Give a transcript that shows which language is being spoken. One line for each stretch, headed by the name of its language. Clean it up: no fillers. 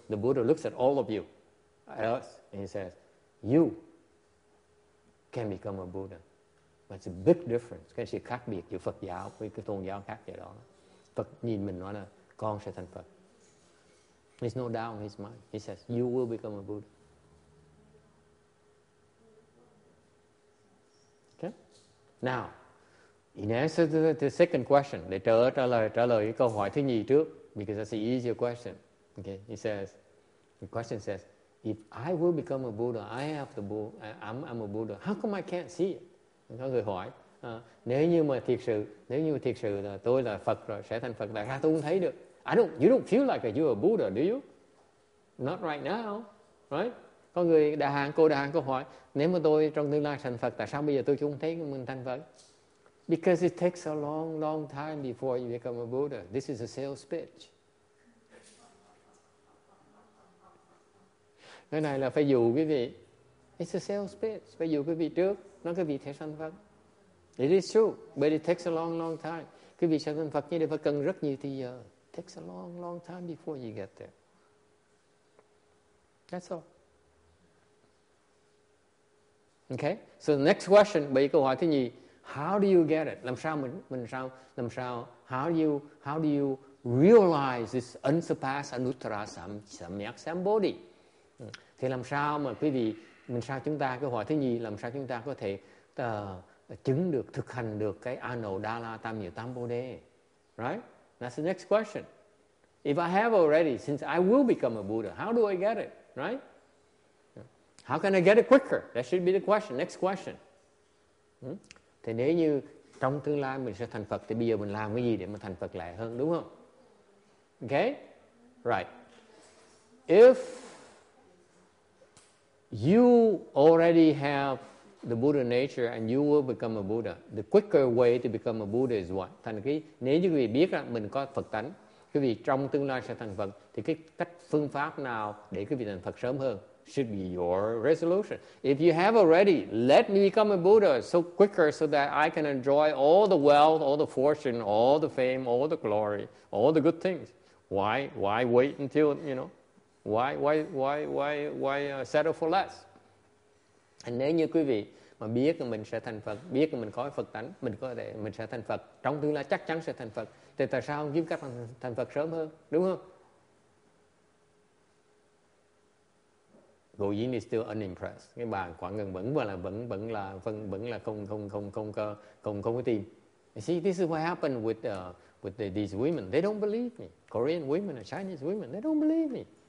English: The Buddha looks at all of you, at us, and he says, you can become a Buddha. But it's a big difference.
Vietnamese: Cái sự khác biệt giữa Phật giáo với cái tôn giáo khác vậy đó. Phật nhìn mình nói là con sẽ thành Phật.
English: There's no doubt in his mind. He says, you will become a Buddha. Okay? Now, in answer to the second question,
Vietnamese: để trả lời cái câu hỏi thứ nhì trước,
English: because that's the easier question. Okay? He says, the question says, if I will become a Buddha, I have the Buddha, I'm a Buddha, how come I can't see it?
Vietnamese: Có người hỏi, nếu như thiệt sự là tôi là Phật rồi, sẽ thành Phật, tại sao tôi không thấy được?
English: You don't feel like you're a Buddha, do you? Not right now, right?
Vietnamese: Có người đà hàng cô hỏi, nếu mà tôi trong tương lai thành Phật, tại sao bây giờ tôi không thấy mình thành Phật?
English: Because it takes a long, long time before you become a Buddha. This is a sales pitch.
Vietnamese: Cái này là phải dụ quý vị.
English: It's a sales pitch.
Vietnamese: Phải dụ quý vị trước. Nói quý vị sẽ thành Phật.
English: It is true, but it takes a long, long time.
Vietnamese: Quý vị sẽ thành Phật nhưng phải cần rất nhiều thời giờ.
English: It takes a long, long time before you get there. That's all. Okay? So the next question,
Vietnamese: bởi câu hỏi thứ nhì,
English: how do you get it? How do you realize this unsurpassed anuttara samyak sambodhi?
Vietnamese: Thì làm sao mà quý vị, mình sao chúng ta, câu hỏi thứ nhì, làm sao chúng ta có thể chứng được, thực hành được cái anodala tam hiệu tam bồ đề?
English: Right? That's the next question. If I have already, since I will become a Buddha, how do I get it? Right? How can I get it quicker? That should be the question. Next question.
Vietnamese: Thì nếu như trong tương lai mình sẽ thành Phật, thì bây giờ mình làm cái gì để mà thành Phật lại hơn, đúng không?
English: Okay? Right. If you already have the Buddha nature and you will become a Buddha, the quicker way to become a Buddha is what?
Vietnamese: Thành cái, nếu như quý vị biết là mình có Phật tánh, quý vị trong tương lai sẽ thành Phật, thì cái cách phương pháp nào để quý vị thành Phật sớm hơn
English: should be your resolution. If you have already, let me become a Buddha so quicker so that I can enjoy all the wealth, all the fortune, all the fame, all the glory, all the good things. Why wait until, you know? Why settle for less?
Vietnamese: And nếu như quý vị mà biết mình sẽ thành Phật, biết mình có Phật tánh, mình có thể mình sẽ thành Phật, trong tương lai chắc chắn sẽ thành Phật, thì tại sao không kiếm cách thành Phật sớm hơn, đúng không?
English: Goyin is still unimpressed.
Vietnamese: Cái bà Quảng Ngân vẫn là không có tin.
English: You see, this is what happened with these women. They don't believe me. Korean women or Chinese women, they don't believe me.